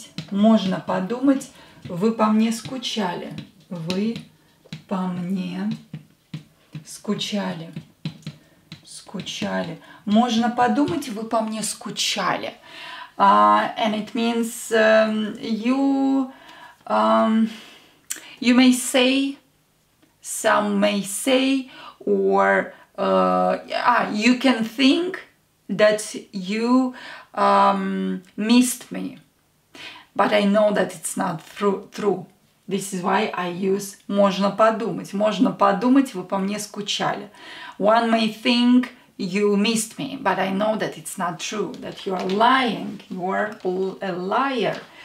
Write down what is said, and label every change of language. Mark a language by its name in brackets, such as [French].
[Russian] Можно подумать, вы по мне скучали. Вы по мне скучали. Скучали. Можно подумать, вы по мне скучали. [English] And it means you may say, some may say, or you can think that you missed me, but I know that it's not true. This is why I use [Russian] можно подумать. Можно подумать, вы по мне скучали. [English] One may think you missed me, but I know that it's not true, that you are lying, you are a liar.